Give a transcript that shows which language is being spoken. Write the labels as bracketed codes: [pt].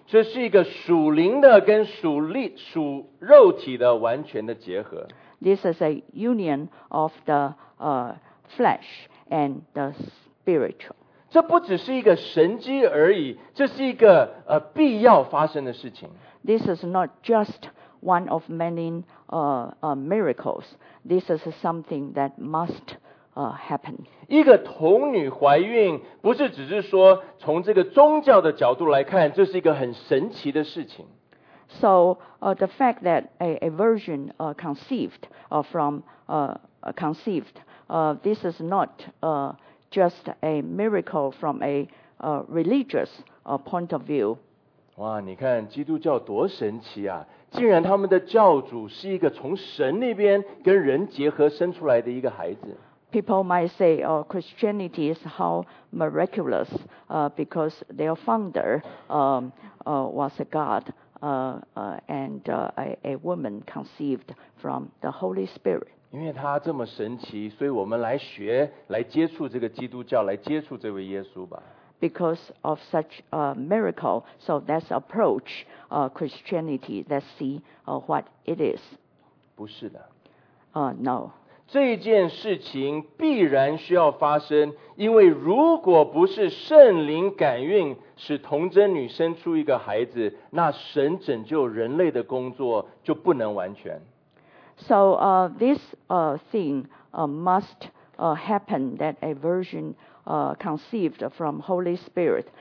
[zh] 这是一个属灵的跟属肉体的完全的结合。 [en] This is a union of the flesh and the spiritual. [zh] 这不只是一个神迹而已，这是一个必要发生的事情。 [en] This is not just one of many miracles. This is something that must happen. [zh] 一个童女怀孕，不是只是说从这个宗教的角度来看，这是一个很神奇的事情。 [en] So the fact that a virgin conceived from conceived, this is not just a miracle from a religious point of view. [zh] 哇，你看基督教多神奇啊！竟然他们的教主是一个从神那边跟人结合生出来的一个孩子。 [en] People might say, "Oh, Christianity is how miraculous," because their founder was a God. A woman conceived from the Holy Spirit. [zh] 因为他这么神奇，所以我们来学，来接触这个基督教，来接触这位耶稣吧。 [en] Because of such a miracle, so let's approach Christianity. Let's see what it is. [zh] 不是的。 [en] No. [zh] 这件事情必然需要发生，因为如果不是圣灵感孕。使童贞女生出一个孩子，那神拯救人类的工作就不能完全。 [en] So this thing must happen that a virgin conceived from Holy Spirit.